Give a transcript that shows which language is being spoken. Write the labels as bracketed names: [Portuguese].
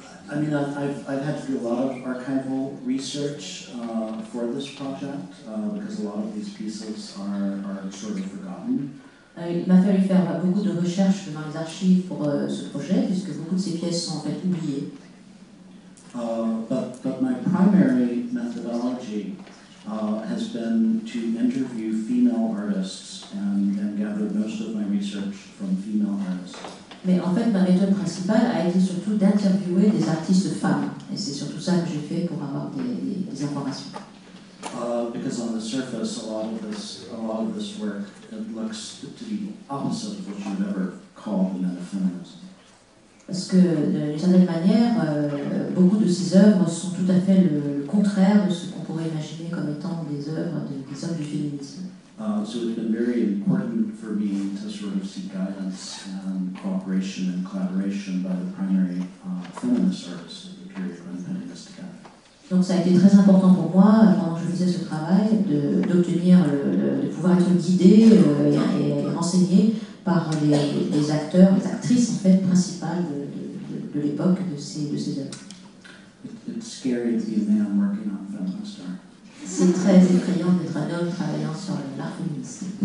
[English] I've had to do a lot of archival research for this project because a lot of these pieces are sort of forgotten. [French] Il m'a fallu faire beaucoup de recherches dans les archives pour ce projet puisque beaucoup de ces pièces sont en fait oubliées. [English] But my primary methodology has been to interview female artists and gather most of my research from female artists. [French] Mais en fait, ma méthode principale a été surtout d'interviewer des artistes femmes. Et c'est surtout ça que j'ai fait pour avoir des informations. [English] Because on the surface, a lot of this work, it looks to be opposite of what you ever call the metafeminism. [French] Parce que, d'une certaine manière, beaucoup de ces œuvres sont tout à fait le contraire de ce qu'on pourrait imaginer comme étant des œuvres des hommes du féminisme. [English] So it's been very important for me to sort of seek guidance and cooperation and collaboration by the primary feminist artists of the period when putting this together. [French] Donc ça a été très important pour moi pendant que je faisais ce travail d'obtenir de pouvoir être guidée et renseignée par les acteurs, les actrices en fait principales de l'époque de ces œuvres. [English] It's scary to be a man working on feminist art. [French] C'est très effrayant d'être un homme travaillant sur l'art féministe.